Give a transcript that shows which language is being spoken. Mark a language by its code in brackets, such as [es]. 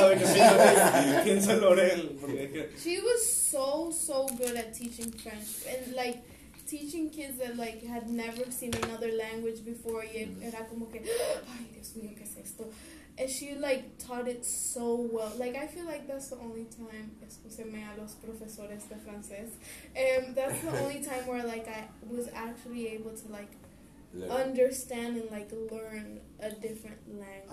[en] She was so, so good at teaching French and like teaching kids that like had never seen another language before. [es] Era como que, ay, Dios mío, ¿qué es esto? [en] And she like taught it so well. Like I feel like that's the only time. Excuseme [es] a los profesores de francés. [en] That's the only time where like I was actually able to like understand and like learn a different language.